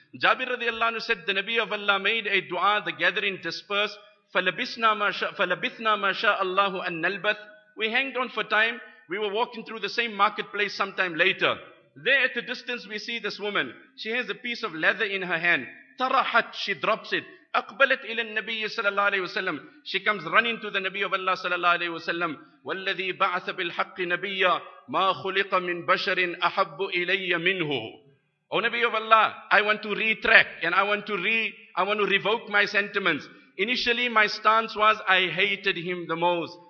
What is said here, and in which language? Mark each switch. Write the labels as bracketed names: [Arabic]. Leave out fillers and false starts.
[English] Jabir radiallahu anhu said, the Nabi of Allah made a dua, the gathering dispersed. [Arabic] فَلَبِثْنَا مَا شَاءَ اللَّهُ أَن نَلْبَثْ. [English] We hanged on for time. We were walking through the same marketplace sometime later. There at the distance we see this woman. She has a piece of leather in her hand. [Arabic] تَرَحَتْ. [English] She drops it. [Arabic] أَقْبَلَتْ إِلَى النَّبِيِّ صلى الله عليه وسلم. [English] She comes running to the Nabi of Allah [Arabic] صلى الله عليه وسلم. وَالَّذِي بَعْثَ بِالْحَقِّ نَبِيًّا مَا خُلِقَ مِنْ بَشَرٍ أَحَبُّ إِلَيَّ مِنْهُ. [English] O Nabi of Allah, I want to retract and I want to revoke my sentiments. Initially, my stance was, I hated him the most.